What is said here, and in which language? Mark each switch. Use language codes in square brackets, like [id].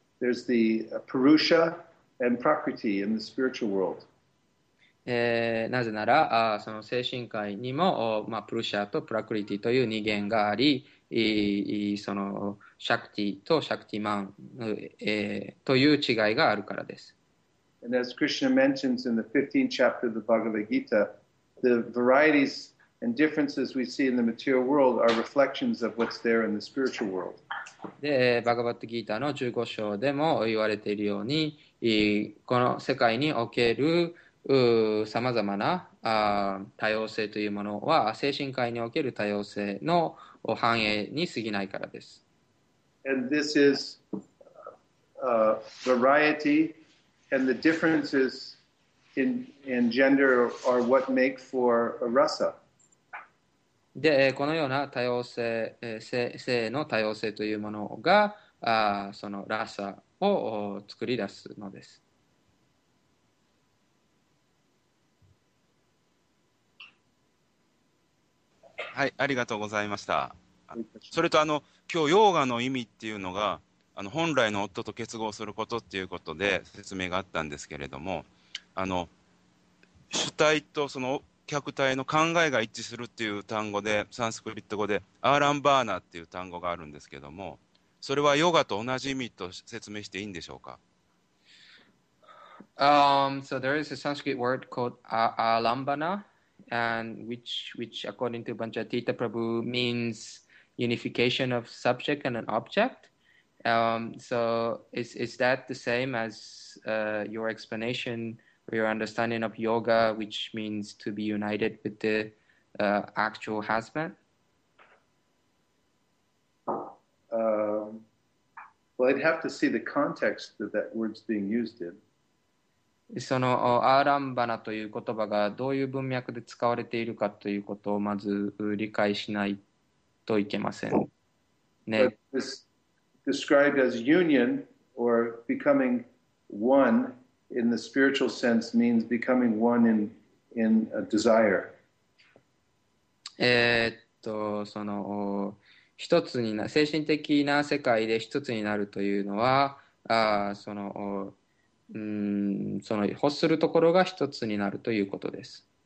[en] There's the Purusha and Prakriti in the spiritual world. [ja] なぜなら、その精神界にも、プルシャとプラクリティという二元があり、そのシャクティとシャクティマン、という違いがあるからです。 [en] And as Krishna mentions in the 15th chapter of the Bhagavad Gita, the varieties and differences we see in the material world are reflections of what's there in the spiritual world. [ja] で、バガヴァッド・ギーターの15章でも言われているように、この世界における、さまざまな多様性というものは、精神界における多様性の反映に過ぎないからです。 [en] And this is variety. And the differences in gender are what make for a rasa. [ja] で、このような多様性、性の多様性というものが、そのラサを作り出すのです。はい、ありがとうございました。それと今日ヨーガの意味っていうのが、本来の夫と結合することっていうことで説明があったんですけれども、主体とその客体の考えが一致するっていう単語で、サンスクリット語でアーランバーナっていう単語があるんですけども、それはヨガと同じ意味と説明していいんでしょうか？ [en] So there is a Sanskrit word called Alambana, and which according to Banchatita Prabhu means unification of subject and an object. So is that the same as your explanation or your understanding of yoga, which means to be united with the actual husband? Well, I'd have to see the context that that word's being used in. [ja] そのアーランバナという言葉がどういう文脈で使われているかということをまず理解しないといけませんね。 [en] This described as union or becoming one in the spiritual sense means becoming one in a desire. [ja] その一つにな、精神的な世界で一つになるというのは、その欲するところが一つになるということです。